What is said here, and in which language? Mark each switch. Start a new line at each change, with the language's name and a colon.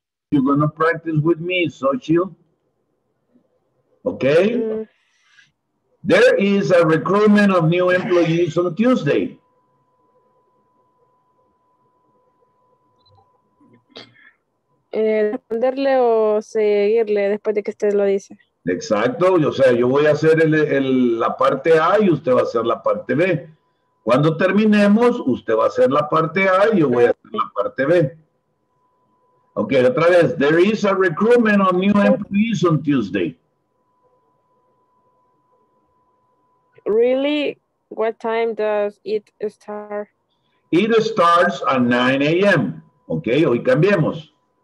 English: You're gonna practice with me, Xochitl. Okay? There is a recruitment of new employees on Tuesday.
Spanish: Responderle o seguirle después de que usted lo dice. Exacto, o sea, yo voy a hacer la parte A y usted va a hacer la parte B. Cuando terminemos, usted va a hacer la parte A y yo voy a hacer la parte B. Ok, otra vez.
English: There is a recruitment of new employees on Tuesday. Really? What time does it start? It starts at 9 a.m.
Spanish: Ok, hoy cambiemos.